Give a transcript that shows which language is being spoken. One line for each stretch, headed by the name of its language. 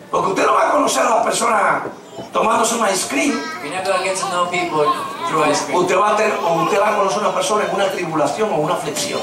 Spanish: Porque usted no va a conocer a las personas tomándose un ice cream.
English: You're not going to get to know people through ice cream.
Spanish: Usted va a conocer a una persona en una tribulación o una aflicción.